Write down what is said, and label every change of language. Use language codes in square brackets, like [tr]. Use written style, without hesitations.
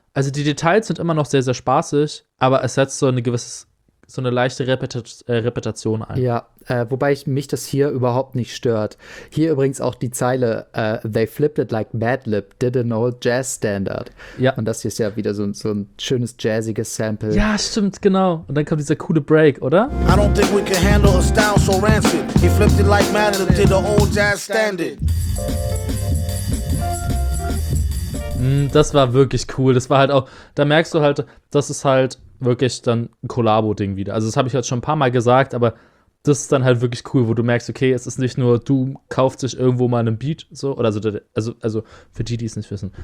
[de] Also die Details sind immer noch sehr, sehr spaßig, aber es setzt so eine gewisse, so eine leichte Repetition ein. Ja, wobei mich das hier überhaupt nicht stört. Hier übrigens auch die Zeile, [en] they flipped it like Madlib, did an old jazz standard. [de] Ja. Und das hier ist ja wieder so ein schönes jazziges Sample. Ja, stimmt, genau. Und dann kommt dieser coole Break, oder? [en] I don't think we can handle a style so rancid. He flipped it like Madlib, did an old jazz standard. [de] Das war wirklich cool. Das war halt auch, da merkst du halt, das ist halt wirklich dann ein Kollabo-Ding wieder. Also das habe ich jetzt schon ein paar Mal gesagt, aber das ist dann halt wirklich cool, wo du merkst, okay, es ist nicht nur, du kaufst dich irgendwo mal einen Beat, so, oder also für die, die es nicht wissen.